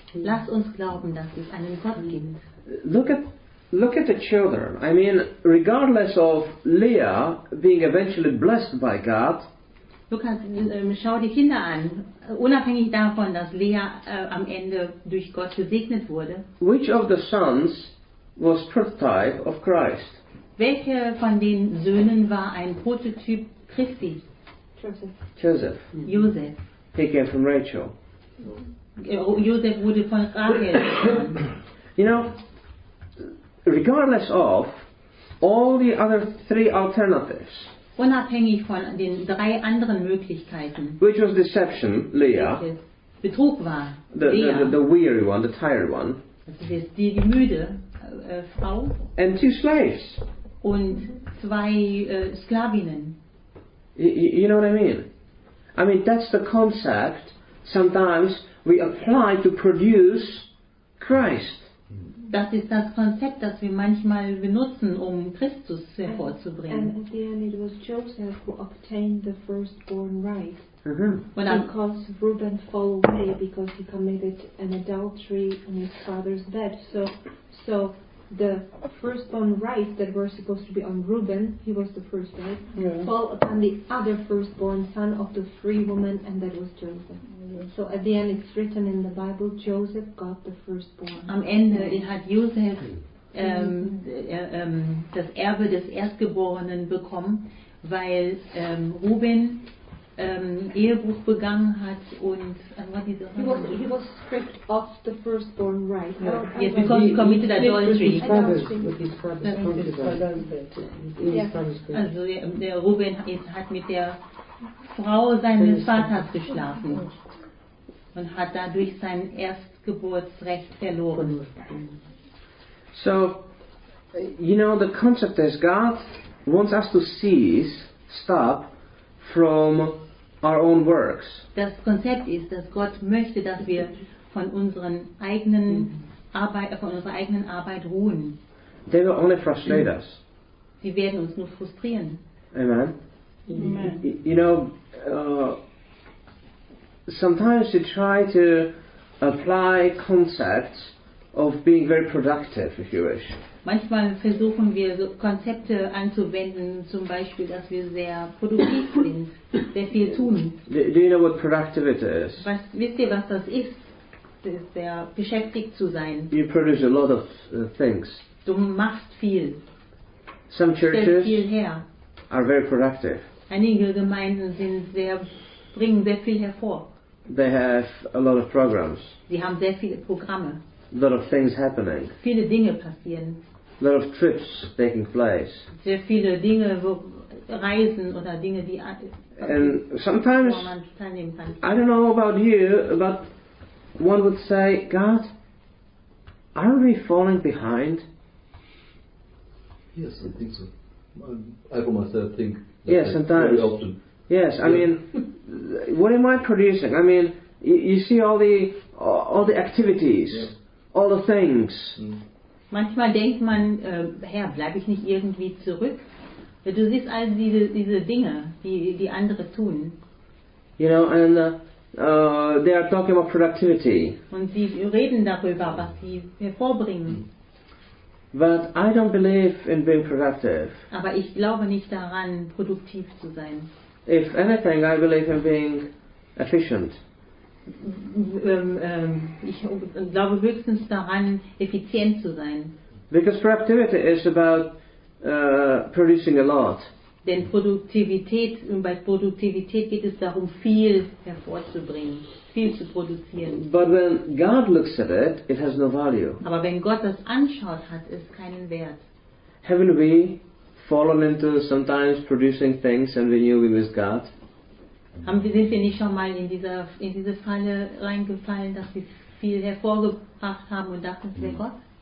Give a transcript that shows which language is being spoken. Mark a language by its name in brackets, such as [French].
[German] Lass uns glauben, dass es einen Gott gibt. [English] Look at the children. I mean, regardless of Leah being eventually blessed by God. [German] Schau die Kinder an. Unabhängig davon, dass Leah am Ende durch Gott gesegnet wurde. [English] Which of the sons was prototype of Christ? [German] Welche von den Söhnen war ein Prototyp Christi? [English] Joseph. [German] Joseph. [English] He came from Rachel. [German] Joseph wurde von Rachel. [English] You know, regardless of all the other three alternatives, [German] unabhängig von den drei anderen Möglichkeiten, [English] which was deception, Leah, [German] Betrug war, [English] the weary one, the tired one, [German] die müde Frau, [English] and two slaves, [German] und zwei Sklavinnen. [English] You know what I mean? I mean, that's the concept sometimes we apply to produce Christ. [German] Das ist das Konzept, das wir manchmal benutzen, um Christus hervorzubringen. [English] And at the end it was Joseph who obtained the firstborn right. Mm-hmm. Because Reuben fell away because he committed an adultery on his father's bed. So the firstborn right that were supposed to be on Reuben, he was the first right, fall upon the other firstborn son of the free woman, and that was Joseph. Yeah. So at the end it's written in the Bible, Joseph got the firstborn. [German] Am Ende hat Josef das Erbe des Erstgeborenen bekommen, weil Reuben Ehebruch begangen hat und [English] he was stripped of the firstborn right. Yeah. Oh, yes, because he committed adultery. [German] Also der Reuben hat mit der Frau seines Vaters geschlafen und hat dadurch sein Erstgeburtsrecht verloren. [English] So, you know, the concept is God wants us to stop from our own works. [German] Das Konzept ist, dass Gott möchte, dass wir von unseren eigenen Arbeit, von unserer eigenen Arbeit ruhen. [English] They will only frustrate us. [German] Sie werden uns nur frustrieren. [English] Amen. [German] Amen. [English] You know, sometimes you try to apply concepts of being very productive, if you wish. [German] Manchmal versuchen wir so Konzepte anzuwenden, zum Beispiel, dass wir sehr produktiv sind, sehr viel tun. [English] Do you know what productivity is? [German] Wisst ihr, was das ist? Das ist sehr beschäftigt zu sein. [English] You produce a lot of things. [German] Du machst viel. [English] Some churches [German] stellst viel her. [English] Are very productive. [German] Einige Gemeinden bringen sehr viel hervor. [English] They have a lot of programs. [German] Sie haben sehr viele Programme. [English] A lot of things happening. [German] Viele Dinge passieren. [English] A lot of trips taking place. [German] Sehr viele Dinge, wo Reisen oder Dinge, die [English] and sometimes, I don't know about you, but one would say, God, are we falling behind? Yes, I think so. I for myself think. Yes, I sometimes. Very often. Yes, I mean, what am I producing? I mean, you see all the activities. Yeah. All the things. [German] Manchmal denkt man, Herr, bleibe ich nicht irgendwie zurück? Du siehst all diese Dinge, die andere tun. [English] You know, and they are talking about productivity. [German] Und sie reden darüber, was sie hervorbringen. [English] But I don't believe in being productive. [German] Aber ich glaube nicht daran, produktiv zu sein. [English] If anything, I believe in being efficient. [German] Ich glaube höchstens daran, effizient zu sein. [English] Because productivity is about producing a lot. [German] Denn bei Produktivität geht es darum, viel hervorzubringen, viel zu produzieren. [English] But when God looks at it, it has no value. [German] Aber wenn Gott das anschaut, hat es keinen Wert. [English] Haven't we fallen into sometimes producing things and we knew we missed God? [German] Sind wir nicht schon mal in diese Falle reingefallen, dass wir viel hervorgebracht haben und dachten, es wäre Gott?